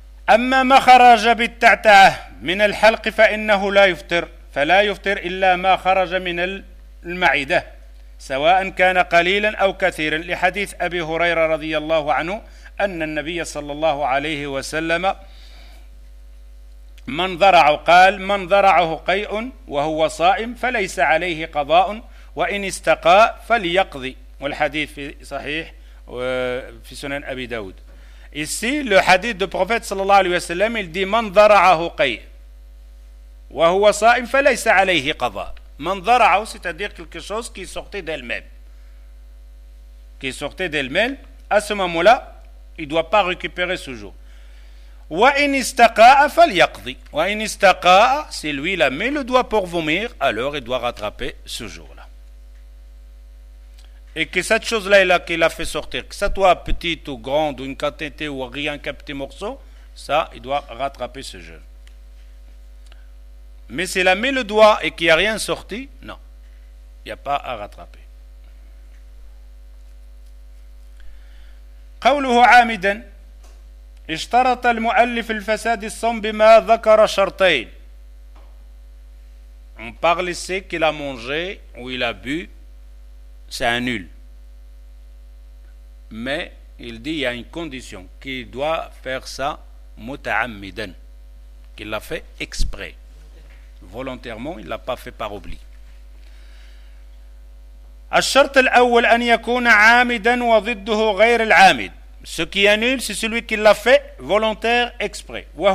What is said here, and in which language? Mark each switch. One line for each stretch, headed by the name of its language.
Arabic: أما ما خرج بالتعتع من الحلق فإنه لا يفطر فلا يفطر إلا ما خرج من المعدة سواء كان قليلا أو كثيرا لحديث أبي هريرة رضي الله عنه أن النبي صلى الله عليه وسلم من ذرعه قال من ذرعه قيء وهو صائم فليس عليه قضاء وإن استقى فليقضي والحديث في صحيح في سنن أبي داود.
French: Ici le hadith du prophète صلى الله عليه وسلم il dit
Arabic: من ذرعه قيء وهو صائم فليس عليه قضاء. من ذرعه
French: c'est-à-dire quelque chose qui sortait d'elle-même, qui sortait d'elle-même, à ce moment-là il doit pas récupérer ce jour.
Arabic: وَإِنْ إِسْتَقَاءَ فَلْيَقْضِي وَإِنْ إِسْتَقَاءَ
French: si lui il a mis le doigt pour vomir, alors il doit rattraper ce jour-là. Et que cette chose-là là, qu'il a fait sortir, que ça soit petite ou grande, ou une quantité, ou rien qu'un petit morceau, ça, il doit rattraper ce jeûne. Mais s'il a mis le doigt et qu'il n'y a rien sorti, non, il n'y a pas à rattraper.
Arabic: قَوْلُهُ عَامِدًا اشترط المؤلف الفساد الصوم بما ذكر شرطين.
French: On parle ici qu'il a mangé ou il a bu, c'est nul. Mais il dit il y a une condition qu'il doit faire ça mutaammidan, qu'il l'a fait exprès, volontairement, il l'a pas fait par oubli.
Arabic: الشرط الأول أن يكون عامدا وضده غير العامد.
French: Ce qui annule, c'est celui qui l'a fait volontaire, exprès.